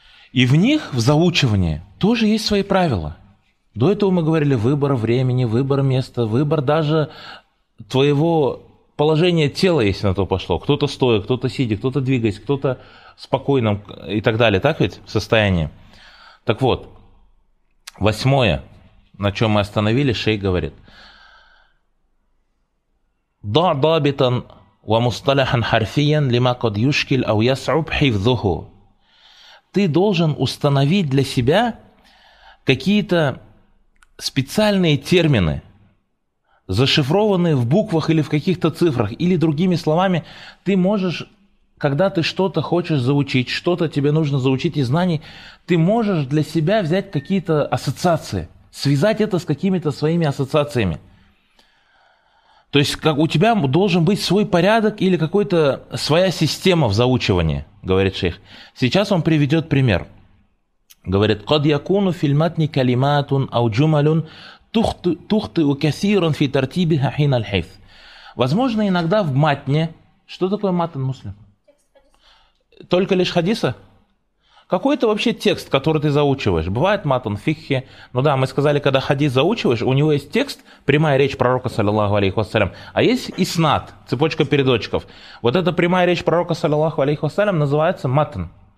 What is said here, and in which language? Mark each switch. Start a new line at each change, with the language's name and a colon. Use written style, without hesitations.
Russian: И в них, в заучивании, тоже есть свои правила. До этого мы говорили выбор времени, выбор места, выбор даже твоего положения тела, если на то пошло. Кто-то стоя, кто-то сидя, кто-то двигаясь, кто-то спокойным и так далее. Так ведь? В состоянии. Так вот, восьмое, на чем мы остановились, шейх говорит.
Arabic: ضع ضابطا ومصطلحا حرفيا لما قد يشكل أو يصعب حفظه.
Russian: Ты должен установить для себя какие-то специальные термины, зашифрованные в буквах или в каких-то цифрах. Или другими словами, ты можешь, когда ты что-то хочешь заучить, что-то тебе нужно заучить из знаний, ты можешь для себя взять какие-то ассоциации, связать это с какими-то своими ассоциациями. То есть как у тебя должен быть свой порядок или какая-то своя система в заучивании, говорит шейх. Сейчас он приведет пример. Говорит,
Arabic: قد يكون في المتن كلمات أو جمل تخطئ كثيرا في ترتيبها حين الحفظ.
Russian: Возможно, иногда в матне... Что такое матн, муслим? Только лишь хадиса? Какой это вообще текст, который ты заучиваешь? Бывает матан, фикхи. Ну да, мы сказали, когда хадис заучиваешь, у него есть текст, прямая речь пророка, саллиллаху алейхи вассалям. А есть иснат, цепочка передочков. Вот эта прямая речь пророка, саллиллаху алейхи вассалям, называется матан.